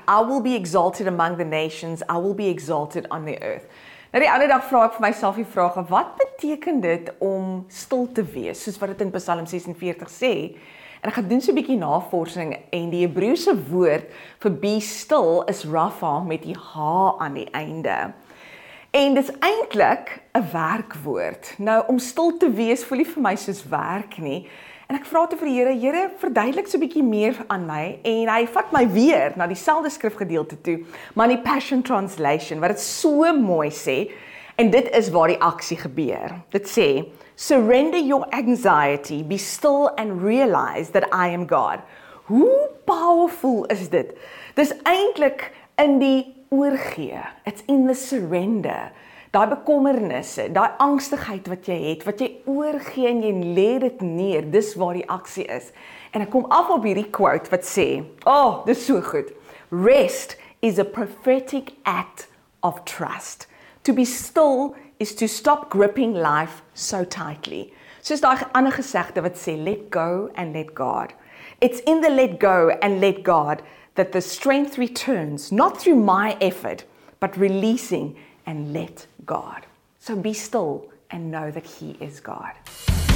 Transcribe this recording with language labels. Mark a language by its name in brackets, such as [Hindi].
[English] I will be exalted among the nations. I will be exalted on the earth." [Afrikaans] Nou die ander dag vra ek vir myself die vraag: wat beteken dit om stil te wees, soos wat dit in Psalm 46 sê? En ek gedoen so 'n bietjie navorsing en die Hebreëse woord vir be still is rapha met die h aan die einde. En dis eintlik 'n werkwoord. Nou om stil te wees voel nie vir my soos werk nie. En ek vra te vir die Here: "Here, verduidelik so 'n bietjie meer aan my." En hy vat my weer na dieselfde skrifgedeelte toe, maar in die Passion Translation, wat dit so mooi sê. En dit is waar die aksie gebeur. Dit sê: [English] "Surrender your anxiety, be still and realize that I am God." [Afrikaans] Hoe powerful is dit? Dis eintlik in die oorgee. [English] It's in the surrender. [Afrikaans] Daai bekommernisse, daai angstigheid wat jy het, wat jy oorgee en jy lê dit neer, dis waar die aksie is. En ek kom af op hierdie quote wat sê: "Oh, dis so goed. [English] Rest is a prophetic act of trust. To be still is to stop gripping life so tightly." [Afrikaans] Soos daai ander gesegde wat sê: [English] "Let go and let God." It's in the let go and let God that the strength returns, not through my effort, but releasing and let God. So be still and know that He is God.